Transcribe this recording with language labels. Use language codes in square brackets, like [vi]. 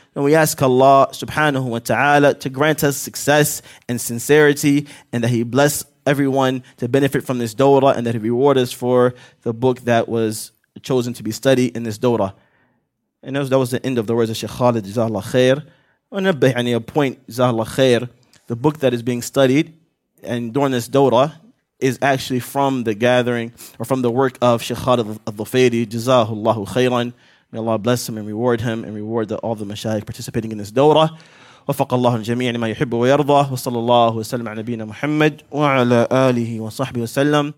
[en] And we ask Allah subhanahu wa ta'ala to grant us success and sincerity, and that he bless everyone to benefit from this dawrah, and that he reward us for the book that was chosen to be studied in this dawrah. And that was the end of the words of Sheikh Khalid. Jazakallah khair. [ar] وننبه يعني [en] a point [ar] جزاه الله خير. [en] The book that is being studied and during this dora is actually from the gathering or from the work of Sheikh Khalid al-Dhufayli, [ar] جزاه الله خيرا. [en] May Allah bless him and reward him and reward the, all the mashayikh participating in this dora. [ar] وفق الله الجميع لما يحب ويرضى. وصلى الله وسلم على نبينا محمد وعلى آله وصحبه وسلم.